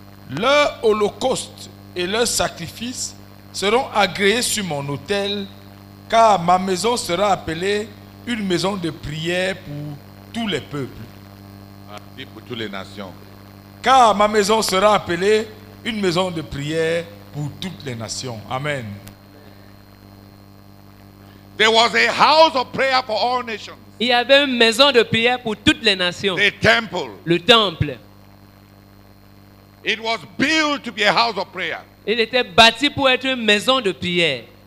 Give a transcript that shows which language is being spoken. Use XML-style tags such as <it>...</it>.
<fr>Leur holocauste et leur sacrifice seront agréés sur mon autel, car ma maison sera appelée une maison de prière pour tous les peuples. Et pour toutes les nations. Car ma maison sera appelée une maison de prière pour toutes les nations. Amen.</fr> <en>There was a house of prayer for all nations.</en> <fr>Il y avait une maison de prière pour toutes les nations.</fr> <en>The temple.</en> <fr>Le temple.</fr> <en>It was built to be a house of prayer.</en> <fr>Il était bâti pour être une maison de prière.</fr>